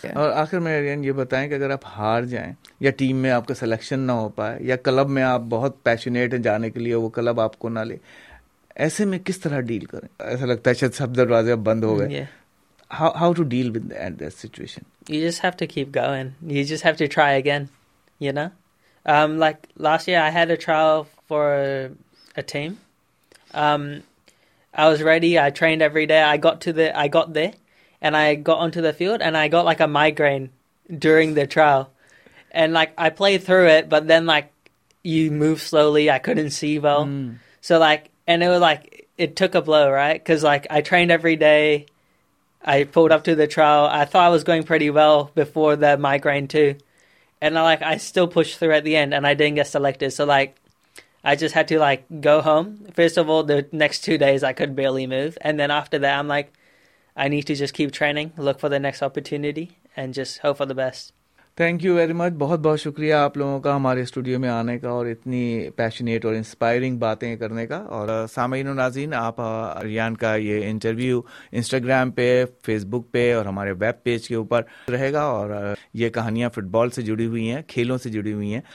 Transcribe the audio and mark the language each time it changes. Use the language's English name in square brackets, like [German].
[Urdu] اور آخر میں ارین یہ بتائیں کہ اگر آپ ہار جائیں یا ٹیم میں آپ کا سلیکشن نہ ہو پائے یا کلب میں آپ بہت پیشنیٹ ہیں جانے کے لیے وہ کلب آپ کو نہ لے, ایسے میں کس طرح ڈیل کریں؟ ایسا لگتا ہے شاید سب دروازے اب بند ہو گئے. [English] How to deal with that situation? You just have to keep going, you just have to try again, you know. Like last year I had a trial for a team. I was ready, I trained every day, I got there and I got onto the field and I got like a migraine during the trial, and like I played through it, but then like you move slowly, I couldn't see well. So like, and it was like it took a blow, right? Because like I trained every day, I pulled up to the trial, I thought I was going pretty well before the migraine too. And like I still pushed through at the end and I didn't get selected. So like I just had to like go home. First of all, the next 2 days I could barely move. And then after that, I'm like, I need to just keep training, look for the next opportunity and just hope for the best. Thank you very much. [Urdu] بہت بہت شکریہ آپ لوگوں کا ہمارے studio میں آنے کا اور اتنی پیشنیٹ اور انسپائرنگ باتیں کرنے کا. اور سامعین و ناظرین, آپ اریان کا یہ انٹرویو انسٹاگرام پہ, فیس بک پہ اور ہمارے ویب پیج کے اوپر رہے گا, اور یہ کہانیاں فٹ بال سے جڑی ہوئی ہیں, کھیلوں سے جڑی ہوئی ہیں.